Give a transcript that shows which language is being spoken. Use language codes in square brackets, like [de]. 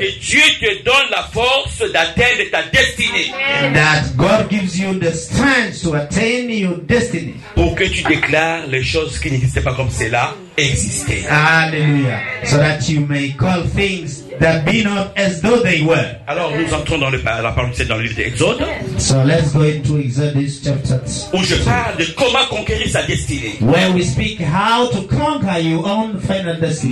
[fr] Que Dieu te donne la force d'atteindre ta destinée. [en] And that God gives you the strength to attain your destiny. [fr] Pour que tu déclares les choses qui n'existaient pas comme cela exister. Alléluia. [en] So that you may call things that be not as though they were. [fr] Alors nous entrons dans la parole, c'est dans le livre d'Exode. [en] So let's go into Exodus chapter 2. [fr] Où je parle de comment conquérir sa destinée. [en] Where we speak how to conquer your own final destiny.